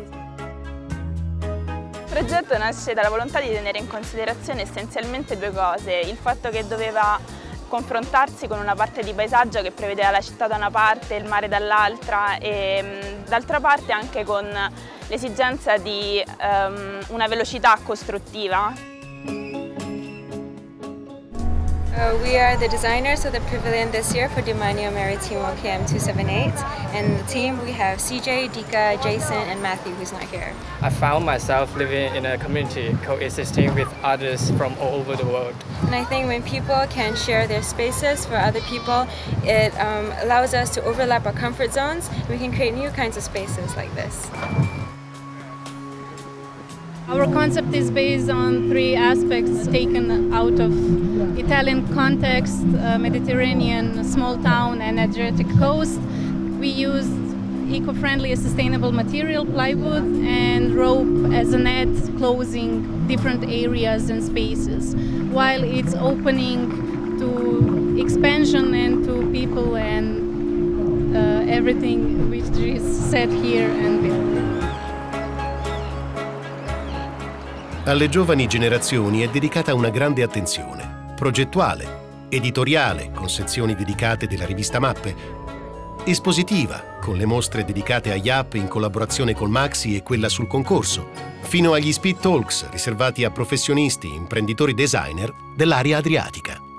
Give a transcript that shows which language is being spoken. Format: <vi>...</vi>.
<it>Il progetto nasce dalla volontà di tenere in considerazione essenzialmente due cose: il fatto che doveva confrontarsi con una parte di paesaggio che prevedeva la città da una parte, il mare dall'altra, e d'altra parte anche con l'esigenza di una velocità costruttiva.</it> <en>We are the designers of the pavilion this year for Demanio Marittimo KM 278, and the team we have CJ, Dika, Jason and Matthew, who's not here. I found myself living in a community coexisting with others from all over the world. And I think when people can share their spaces for other people, it allows us to overlap our comfort zones. We can create new kinds of spaces like this. Our concept is based on three aspects taken out of Italian context: Mediterranean, small town and Adriatic coast. We used eco-friendly and sustainable material, plywood, and rope as a net closing different areas and spaces, while it's opening to expansion and to people and everything which is set here and built.</en> <it>Alle giovani generazioni è dedicata una grande attenzione, progettuale, editoriale, con sezioni dedicate della rivista Mappe, espositiva, con le mostre dedicate a IAP in collaborazione col Maxi e quella sul concorso, fino agli Speed Talks riservati a professionisti, imprenditori, designer dell'area adriatica.</it>